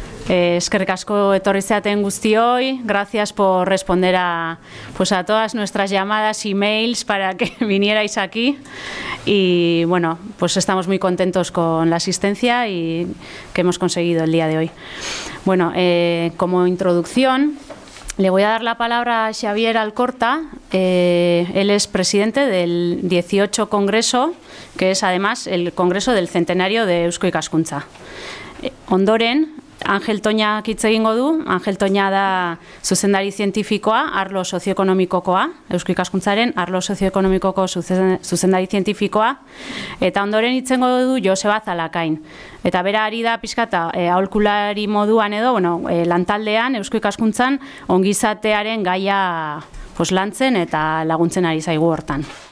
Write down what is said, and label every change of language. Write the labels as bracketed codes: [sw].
[eu] Eskerrik asko etorri zaten guztioi. [es] Gracias por responder a pues a todas nuestras llamadas y emails para que vinierais aquí. Y bueno, pues estamos muy contentos con la asistencia y que hemos conseguido el día de hoy. Bueno, como introducción, le voy a dar la palabra a Xavier Alcorta. Él es presidente del 18 Congreso, que es además el Congreso del Centenario de Eusko Ikaskuntza. [eu] Ondoren, Ángel Toña hitz egingo du. Ángel Toña da zuzendari zientifikoa, arlo sozioekonomikokoa, Eusko Ikaskuntzaren arlo sozioekonomikoko zuzendari zientifikoa. Eta ondoren hitzengo du Joseba Zalakain. Eta bera ari da pixkata aholkulari moduan edo, bueno, lantaldean, Eusko Ikaskuntzan, ongizatearen gaia pues, lantzen eta laguntzen ari zaigu hortan.